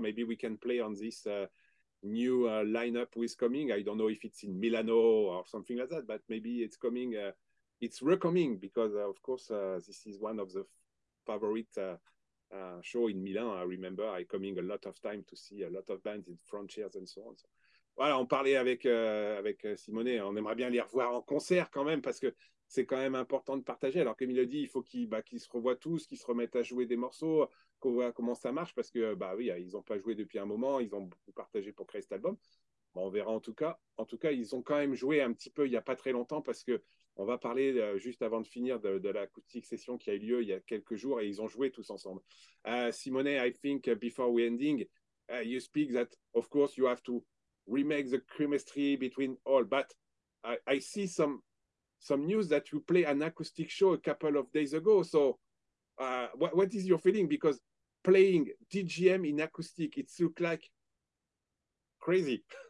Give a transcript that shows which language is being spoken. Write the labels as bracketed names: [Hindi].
[English] Maybe we can play on this new lineup who is coming. I don't know if it's in Milano or something like that, but maybe it's coming. It's recoming because, of course, this is one of the favorite show in Milan. I remember I coming a lot of time to see a lot of bands in Frontiers and so on. [French] Voilà, on parlait avec Simone, on aimerait bien les revoir en concert quand même, parce que c'est quand même important de partager. Alors comme il a dit, il faut qu'ils se revoient tous, qu'ils se remettent à jouer des morceaux, qu'on voit comment ça marche, parce que bah oui, ils n'ont pas joué depuis un moment, ils ont beaucoup partagé pour créer cet album. Bon, on verra en tout cas. En tout cas, ils ont quand même joué un petit peu il n'y a pas très longtemps, parce qu'on va parler juste avant de finir de l'acoustic session qui a eu lieu il y a quelques jours, et ils ont joué tous ensemble. [English] Simone, I think before we ending, you speak that of course you have to remake the chemistry between all, but I see some news that you play an acoustic show a couple of days ago. So what is your feeling, because playing DGM in acoustic, it look like crazy.